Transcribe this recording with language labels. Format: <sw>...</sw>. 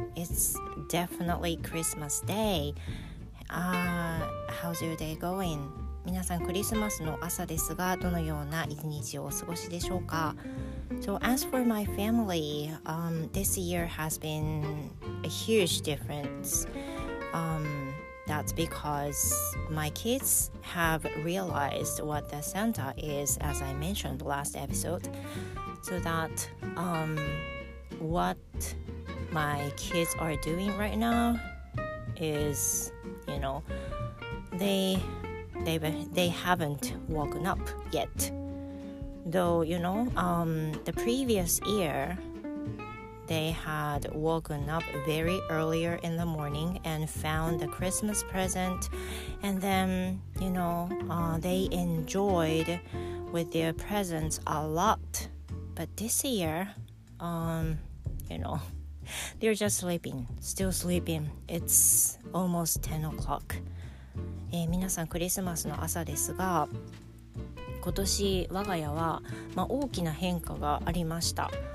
<en>It's definitely Christmas Day. How's your day going?</en> <ja>皆さんクリスマスの朝ですが、どのような一日をお過ごしでしょうか？</ja> <en>So as for my family, this year has been a huge difference. That's because my kids have realized what the Santa is, as I mentioned last episode. So that what my kids are doing right now is, you know, they haven't woken up yet. Though, you know, the previous year, they had woken up very earlier in the morning and found the Christmas present. And then, you know, they enjoyed with their presents a lot. But this year, you know, they're just sleeping, still sleeping. It's almost 10 o'clock.</en> <ja>皆さん、クリスマスの朝ですが、今年我が家は、大きな変化がありました。</ja>